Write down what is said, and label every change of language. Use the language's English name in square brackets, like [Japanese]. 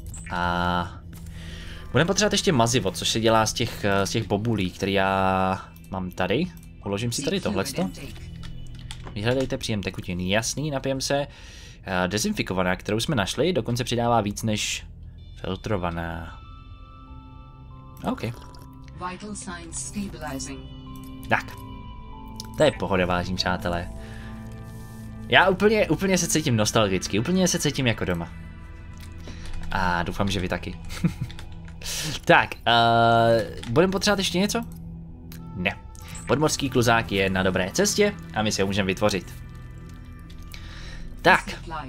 [Czech] A budeme potřebovat ještě mazivo, což se dělá z těch bobulí, které já mám tady. Uložím si tady tohleto. Vyhledejte příjem tekutin. Jasný, napijem se. Dezinfikovaná, kterou jsme našli, dokonce přidává víc než filtrovaná. OK. [English] Vital signs stabilizing. [Czech] Tak. To je pohoda, vážení přátelé. Já úplně se cítím nostalgicky, úplně se cítím jako doma. A doufám, že vy taky. Tak, budeme potřebovat ještě něco? Ne. Podmorský kluzák je na dobré cestě a my si ho můžeme vytvořit. Tak.